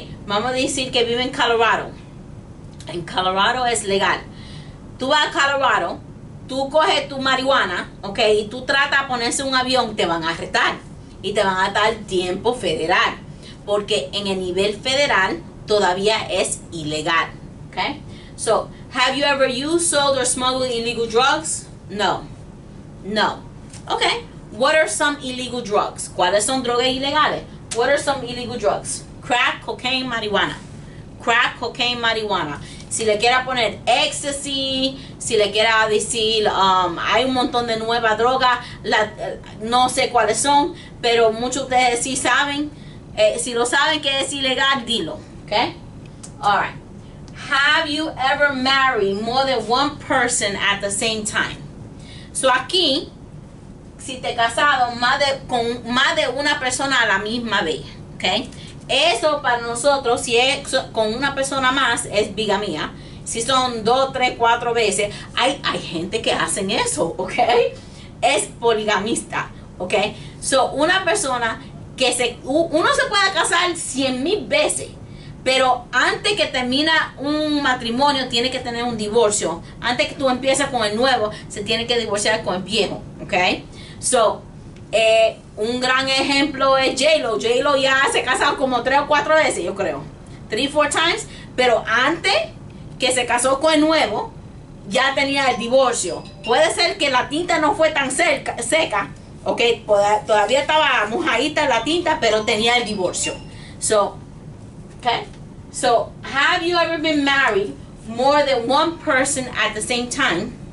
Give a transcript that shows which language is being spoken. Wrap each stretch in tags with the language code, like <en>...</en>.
<es>Vamos a decir que vive en Colorado. En Colorado es legal. Tú vas a Colorado, tú coges tu marihuana, ¿ok? Y tú tratas de ponerse un avión, te van a arrestar. Y te van a dar tiempo federal. Porque en el nivel federal todavía es ilegal, ¿ok?</es> <en>So, have you ever used, sold, or smuggled illegal drugs? No. No. Ok. What are some illegal drugs?</en> <es>¿Cuáles son drogas ilegales?</es> <en>What are some illegal drugs? Crack, cocaine, marihuana. Crack, cocaine, marihuana.</en> <es>Si le quiera poner ecstasy, si le quiera decir, hay un montón de nuevas drogas, no sé cuáles son, pero muchos de ustedes sí saben. Si lo saben que es ilegal, dilo. Okay? All right.</es> <en>Have you ever married more than one person at the same time?</en> <es>So aquí, si te casado con más de una persona a la misma vez, ¿ok? Eso para nosotros, si es con una persona más, es bigamia. Si son 2, 3, 4 veces, hay gente que hacen eso, ¿ok? Es poligamista, ¿ok? So, una persona que uno se puede casar 100,000 veces, pero antes que termina un matrimonio, tiene que tener un divorcio. Antes que tú empieces con el nuevo, se tiene que divorciar con el viejo, ¿ok? So, un gran ejemplo es J-Lo. J-Lo ya se casó como 3 o 4 veces, yo creo.</es> <en>3, 4 times.</en> <es>Pero antes que se casó con el nuevo, ya tenía el divorcio. Puede ser que la tinta no fue tan seca, ¿ok? Todavía estaba mojadita la tinta, pero tenía el divorcio. So, ¿ok?</es> <en>So, have you ever been married more than one person at the same time?</en>